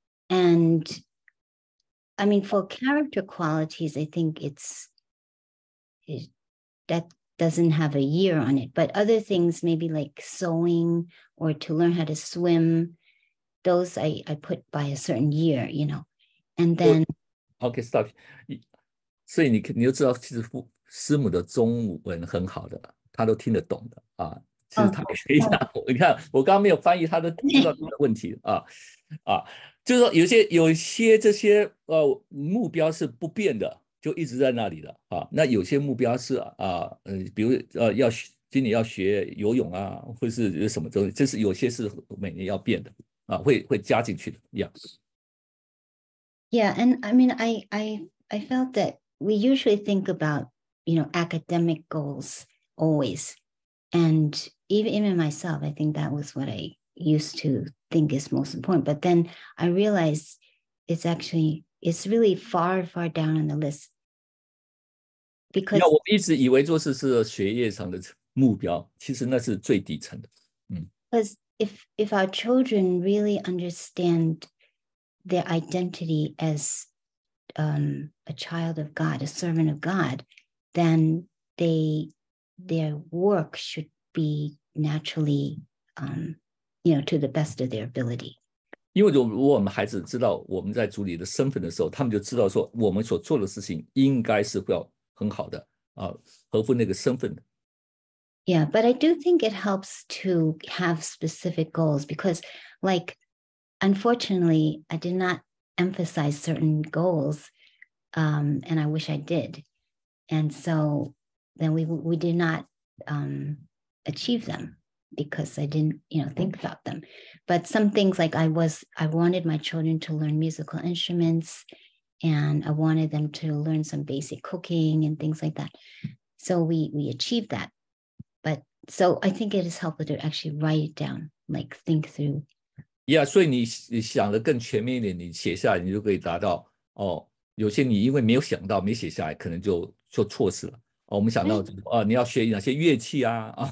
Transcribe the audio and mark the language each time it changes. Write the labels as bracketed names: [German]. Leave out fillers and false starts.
[English] And I mean, for character qualities, I think it that doesn't have a year on it. But other things, maybe like sewing or to learn how to swim, those I put by a certain year, you know. And then. OK, stop. [Chinese] 所以你就知道，其实师母的中文很好的，他都听得懂的啊。其实他可以讲，你看我刚刚没有翻译，他都知道这个问题啊啊。就是说有些这些目标是不变的，就一直在那里的啊。那有些目标是比如要今年要学游泳啊，或是什么东西，这是有些是每年要变的啊，会加进去的样子。 [English] Yeah, and I mean, I felt that we usually think about, you know, academic goals always, and even myself, I think that was what I used to think is most important, but then I realized it's really far, far down on the list. Because [Chinese] 我一直以为做事是学业上的目标，其实那是最底层的。 [English] Because if our children really understand their identity as a child of God, a servant of God, then their work should be naturally you know, to the best of their ability. [Chinese] 因为我们孩子知道我们在主里的身份的时候，他们就知道说我们所做的事情应该是要很好的啊，合乎那个身份的。 [English] Yeah, but I do think it helps to have specific goals because, like, unfortunately, I did not emphasize certain goals, and I wish I did, and so then we did not achieve them. Because I didn't, you know, think about them. But some things like I wanted my children to learn musical instruments and I wanted them to learn some basic cooking and things like that. So we achieved that. But so I think it is helpful to actually write it down, like think through. [Chinese] Yeah, 所以你想的更全面一点，你写下来你就可以达到，哦，有些你因为没有想到，没写下来，可能就错失了。哦、我们想到、你要学哪些乐器啊？